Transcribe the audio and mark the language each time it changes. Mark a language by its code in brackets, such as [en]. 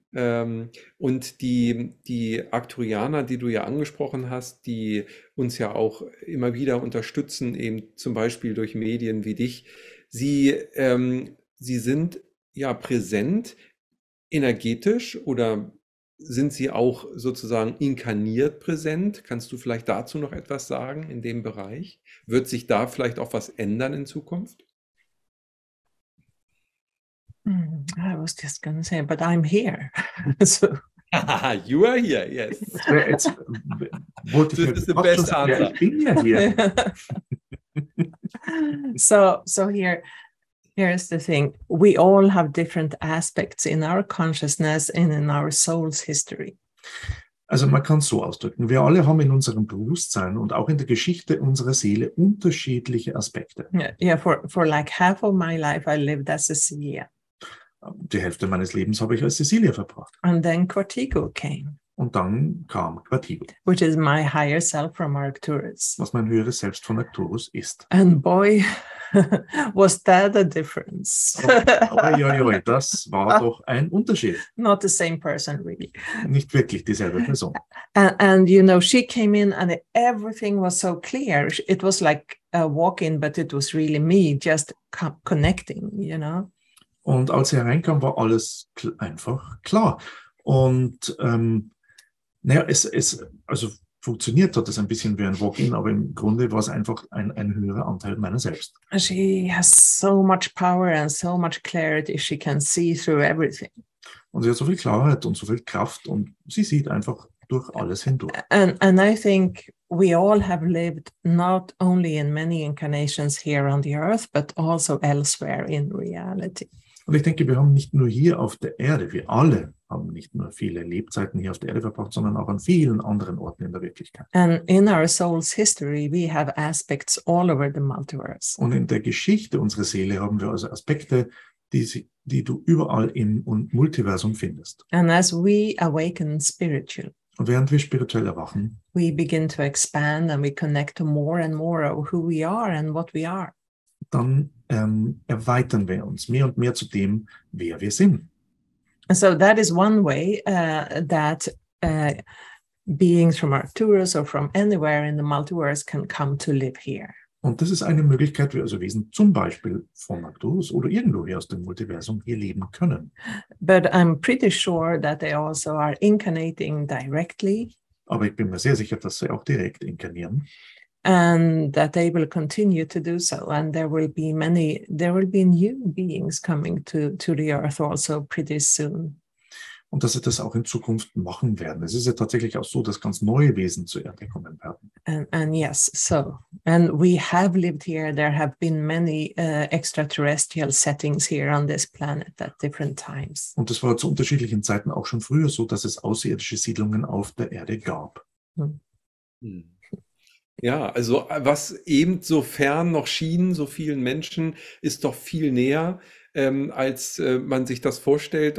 [de] Und die Aktuarianer, die du ja angesprochen hast, die uns ja auch immer wieder unterstützen, eben zum Beispiel durch Medien wie dich, sie sind ja präsent energetisch oder sind sie auch sozusagen inkarniert präsent? Kannst du vielleicht dazu noch etwas sagen in dem Bereich? Wird sich da vielleicht auch was ändern in Zukunft? [en] I was just going to say, but I'm here. So. You are here, yes. It's, what this is the best answer. So here's the thing. We all have different aspects in our consciousness and in our soul's history. [de] Also man kann es so ausdrücken, wir alle haben in unserem Bewusstsein und auch in der Geschichte unserer Seele unterschiedliche Aspekte. [en] Yeah, for like half of my life I lived as a Cecilia. [de] Die Hälfte meines Lebens habe ich als Cecilia verbracht. [en] And then Quartigo came. [de] Und dann kam Quartigo. [en] Which is my higher self from Arcturus. [de] Was mein höheres Selbst von Arcturus ist. [en] And boy, was that a difference. [de] Oi, das war doch ein Unterschied. [en] Not the same person, really. [de] Nicht wirklich dieselbe Person. [en] And you know, she came in and everything was so clear. It was like a walk-in, but it was really me just connecting, you know. [de] Und als sie hereinkam, war alles einfach klar. Und es funktioniert hat es ein bisschen wie ein Walk-in, aber im Grunde war es einfach ein höherer Anteil meiner selbst. [en] She has so much power and so much clarity, she can see through everything. [de] Und sie hat so viel Klarheit und so viel Kraft und sie sieht einfach durch alles hindurch. [en] And I think we all have lived not only in many incarnations here on the earth, but also elsewhere in reality. [de] Und ich denke, wir haben nicht nur hier auf der Erde, wir alle haben nicht nur viele Lebzeiten hier auf der Erde verbracht, sondern auch an vielen anderen Orten in der Wirklichkeit. [en] And in our soul's history, we have aspects all over the multiverse. [de] Und in der Geschichte unserer Seele haben wir also Aspekte, die du überall im Multiversum findest. [en] And as we awaken spiritually, [de] und während wir spirituell erwachen, [en] we begin to expand and we connect more and more of who we are and what we are. [de] Dann erweitern wir uns mehr und mehr zu dem, wer wir sind. [en] So that is one way that beings from Arcturus or from anywhere in the multiverse can come to live here. [de] Und das ist eine Möglichkeit, wie also Wesen zum Beispiel von Arcturus oder irgendwo hier aus dem Multiversum hier leben können. [en] But I'm pretty sure that they also are incarnating directly. [de] Aber ich bin mir sehr sicher, dass sie auch direkt inkarnieren. [en] And that they will continue to do so, and there will be new beings coming to the earth also pretty soon. [de] Und dass sie das auch in Zukunft machen werden. Es ist ja tatsächlich auch so, dass ganz neue Wesen zur Erde kommen werden. [en] And yes, so. And we have lived here. There have been many extraterrestrial settings here on this planet at different times. [de] Und das war zu unterschiedlichen Zeiten auch schon früher so, dass es außerirdische Siedlungen auf der Erde gab. Ja, also was eben so fern noch schien, so vielen Menschen, ist doch viel näher, als man sich das vorstellt.